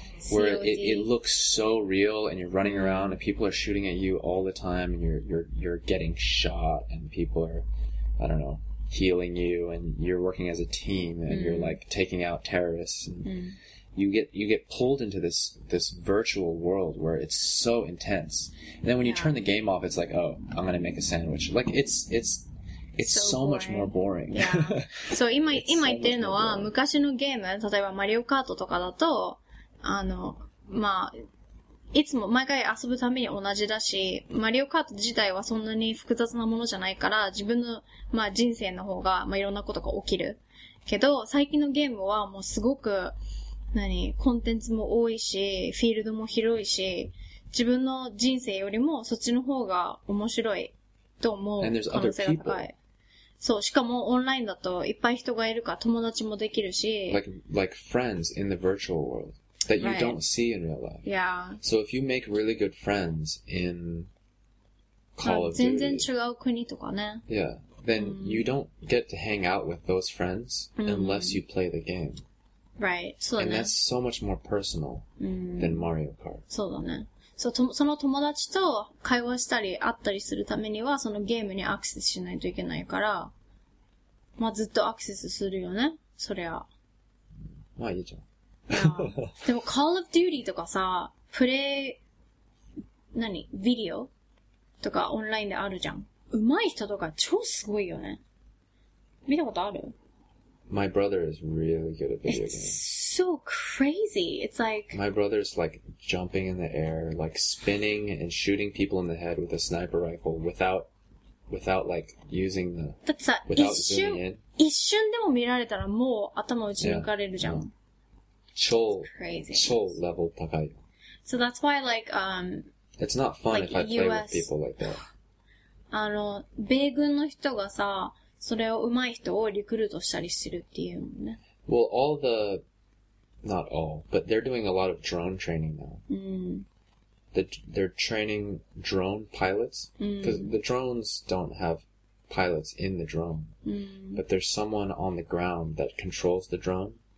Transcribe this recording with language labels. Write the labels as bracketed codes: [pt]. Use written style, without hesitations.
[en] Where it looks so real, and you're running around, and people are shooting at you all the time, and you're getting shot, and people are, I don't know, healing you, and you're working as a team, and you're like taking out terrorists. And you get pulled into this virtual world where it's so intense. And then when you turn the game off, it's like, oh, I'm gonna make a sandwich. Like it's so much more boring. So [ja] 今言ってるのは昔のゲーム、例えばマリオカートとかだと、まあ、いつも毎回遊ぶために同じだし、マリオカート自体はそんなに複雑なものじゃないから、自分の、まあ、人生の方が、まあ、いろんなことが起きる。けど、最近のゲームはもうすごく、何、コンテンツも多いし、フィールドも広いし、自分の人生よりもそっちの方が面白いと思う可能性が高い。そう、しかもオンラインだといっぱい人がいるから友達もできるし。 [en] Like friends in the virtual world. That you don't see in real life. Yeah. So if you make really good friends in Call of Duty. [ja] 全然違う国とかね。 [en] Yeah. Then you don't get to hang out with those friends unless you play the game. Right. [ja] そうだね。 [en] And that's so much more personal than Mario Kart. [ja] そうだね。そう、その友達と会話したり会ったりするためにはそのゲームにアクセスしないといけないから、まあずっとアクセスするよね。そりゃ。まあいいじゃん。でも、Call of Duty とかさ、プレイ、何ビデオとかオンラインであるじゃん。うまい人とか超すごいよね。見たことある [en] ?My brother is really good at video games. It's so crazy. It's like... My brother is like jumping in the air, like spinning and shooting people in the head with a sniper rifle without like using the... [ja] だってさ、一瞬でも見られたらもう頭打ち抜かれるじゃん。 [en] Yeah, no. [ja] 超レベル高い。 [en] So that's why like, It's not fun like if I play US, with people like that. [ja] 米軍の人がさ、それを上手い人をリクルートしたりするっていうもんね。 [en] Well, all the... Not all, but they're doing a lot of drone training now. They're training drone pilots. Because the drones don't have pilots in the drone. But there's someone on the ground that controls the drone.